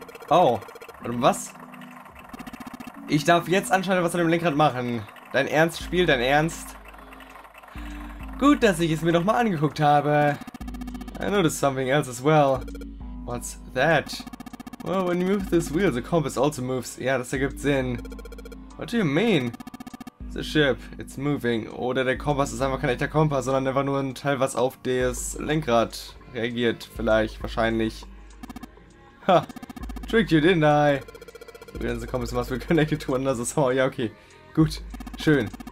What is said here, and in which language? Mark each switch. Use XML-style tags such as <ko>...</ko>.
<de>Oh, warte mal, was? Ich darf jetzt anscheinend was an dem Lenkrad machen. Dein Ernst, Spiel, dein Ernst? Gut, dass ich es mir nochmal angeguckt habe.</de> <en>I noticed something else as well. What's that? Well, when you move this wheel, the compass also moves.</en> <de>Ja, das ergibt Sinn.</de> <en>What do you mean? The ship, it's moving.</en> <de>Oder der Kompass ist einfach kein echter Kompass, sondern einfach nur ein Teil, was auf das Lenkrad reagiert. Vielleicht, wahrscheinlich.</de> <en>Ha! Tricked you, didn't I?</en> <de>Wir sind so Kompass, was wir</de> <en>connected to another song.</en> <de>Ja, okay. Gut. Schön.</de>